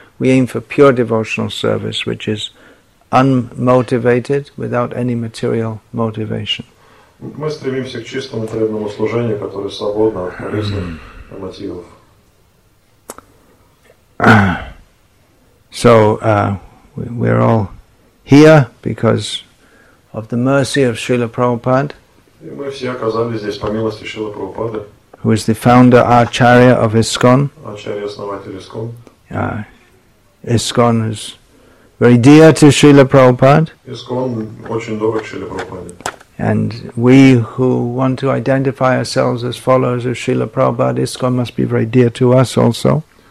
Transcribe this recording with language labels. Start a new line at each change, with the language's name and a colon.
English: We aim for pure devotional service which is unmotivated without any material motivation.
Russian: Мы стремимся к чистому преданному служению, которое свободно от корыстных мотивов.
English: So we're all here because of the mercy of Srila Prabhupada.
Russian: Мы все оказались здесь по милости Шрилы Прабхупады,
English: who is the founder acharya of ISKCON.
Russian: Ачарья-основатель ISKCON.
English: ISKCON is very dear to Srila Prabhupada.
Russian: ISKCON очень дорог Шриле Прабхупаде.
English: And we who want to identify ourselves as followers of Srila Prabhupada, ISKCON must be very dear to us also.